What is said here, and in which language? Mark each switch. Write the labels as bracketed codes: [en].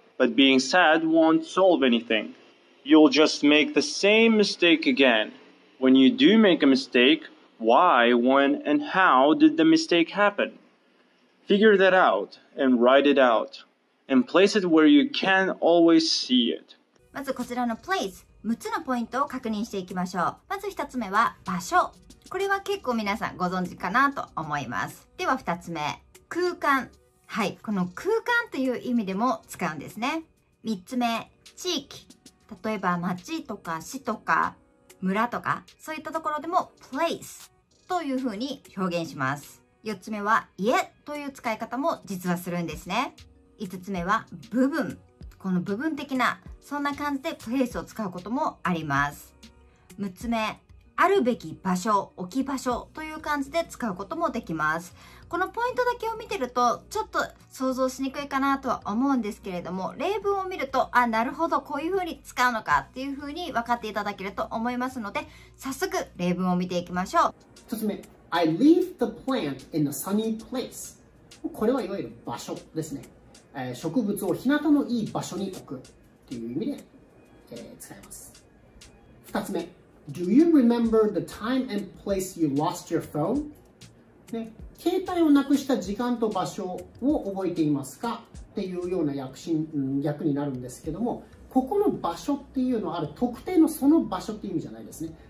[en] But being sad won't solve anything. You'll just make the same mistake again. When you do make a mistake, why, when, and how did the mistake happen? Figure that out and write it out. And place it where you can always see it. [ja] まずこちらの place、 6つのポイントを確認していきましょう。まず1つ目は場所。これは結構皆さんご存知かなと思います。では2つ目、空間。はい、この空間という意味でも使うんですね。3つ目、地域。例えば町とか市とか村とか、そういったところでも place というふうに表現します。 4つ目は家という使い方も実はするんですね。 5つ目は部分。この部分的な、そんな感じでプレイスを使うこともあります。 6つ目、あるべき場所、置き場所という感じで使うこともできます。このポイントだけを見てると、ちょっと想像しにくいかなとは思うんですけれども、例文を見ると、あ、なるほど、こういう風に使うのかっていう風に分かっていただけると思いますので、早速例文を見ていきましょう。 [en] 1つ目、I leave the plant in a sunny place. [ja] これはいわゆる場所ですね。植物を日向のいい場所に置くという意味で、使います。 2つ目、 [en] Do you remember the time and place you lost your phone?、 [ja] ね、携帯をなくした時間と場所を覚えていますかっていうような訳になるんですけども、ここの場所っていうのはある特定のその場所っていう意味じゃないですね。